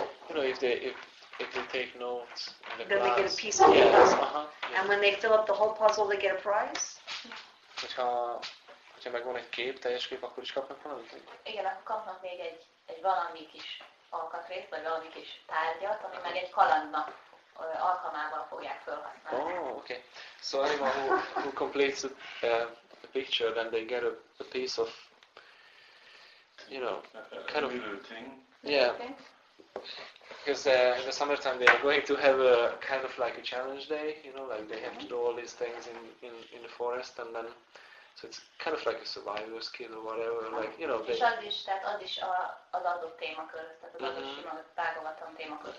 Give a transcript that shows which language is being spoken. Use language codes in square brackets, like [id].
[en] You know, if they take notes in the then class, they get a piece of the puzzle. Uh-huh, yeah. And when they fill up the whole puzzle, they get a prize? [hu] Hogyha megvan egy kép, teljes kép, akkor is kapnak valamit? Igen, akkor kapnak még egy valami kis alkatrészt, vagy valami kis tárgyat, ami meg egy kalandnak alkalmával fogják felhasználni. [en] Oh, okay. So anyone who completes a picture, then they get a piece of, you know, kind of... A little thing. Yeah. Because in the summertime they are going to have a kind of like a challenge day, you know, like they have to do all these things in the forest, and then so it's kind of like a survival skill or whatever, like, you know. [hu] És az is, tehát az is az adott témakör, tehát az adott sima tágolatlan témakör.